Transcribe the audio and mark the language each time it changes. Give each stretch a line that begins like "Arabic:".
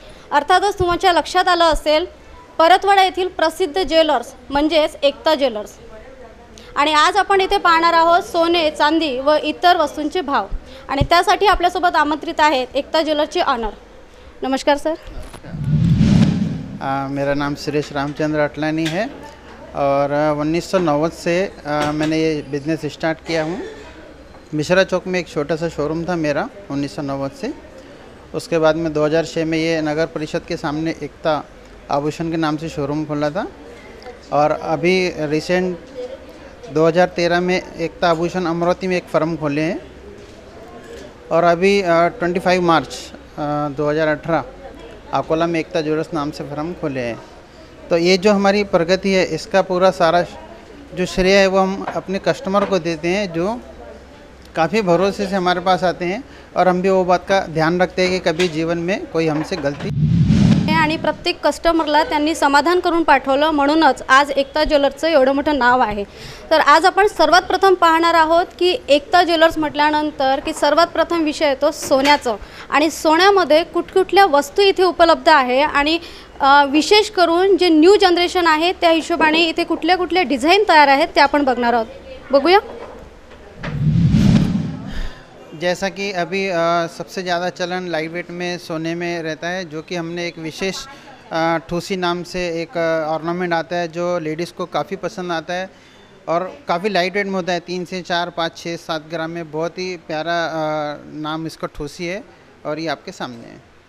Marathi: अर्थातच तुमच्या लक्षात आलं असेल परतवाडा येथील प्रसिद्ध ज्वेलर्स म्हणजेच एकता ज्वेलर्स. आणि आज आपण इथे पाहणार आहोत सोने चांदी व इतर वस्तूंचे भाव. आणि त्यासाठी आपल्यासोबत आमंत्रित आहेत एकता ज्वेलर्सचे ऑनर. नमस्कार सर.
Hindi: मेरा नाम सुरेश रामचंद्र अटलानी है और 1990 से मैंने ये बिजनेस स्टार्ट किया हूँ. मिश्रा चौक में एक छोटा सा शोरूम था मेरा 1990 से. उसके बाद में 2006 में ये नगर परिषद के सामने एकता आभूषण के नाम से शोरूम खोला था. और अभी रिसेंट 2013 में एकता आभूषण अमरावती में एक फर्म खोले हैं. और अभी 25 मार्च 2018 अकोला में एकता ज्वेलर्स नाम से फर्म खोले हैं. तो ये जो हमारी प्रगति है इसका पूरा सारा जो श्रेय है वो हम अपने कस्टमर को देते हैं, जो काफ़ी भरोसे से हमारे पास आते हैं. और हम भी वो बात का ध्यान रखते हैं कि कभी जीवन में कोई हमसे गलती.
Marathi: आणि प्रत्येक कस्टमरला त्यांनी समाधान करून पाठवलं, म्हणूनच आज एकता ज्वेलर्सचं एवढं मोठं नाव आहे. तर आज आपण सर्वात प्रथम पाहणार आहोत की एकता ज्वेलर्स म्हटल्यानंतर की सर्वात प्रथम विषय येतो सोन्याचं, आणि सोन्यामध्ये कुठकुठल्या वस्तू इथे उपलब्ध आहे, आणि विशेष करून जे न्यू जनरेशन आहे त्या हिशोबाने इथे कुठल्या कुठल्या डिझाईन तयार आहेत ते आपण बघणार आहोत. बघूया.
Hindi: जैसा कि अभी सबसे ज़्यादा चलन लाइट वेट में सोने में रहता है, जो कि हमने एक विशेष ठूसी नाम से एक ऑर्नामेंट आता है जो लेडीज़ को काफ़ी पसंद आता है और काफ़ी लाइट वेट में होता है. 3 से 4, 5, 6, 7 ग्राम में बहुत ही प्यारा नाम इसका ठूसी है और ये आपके सामने है.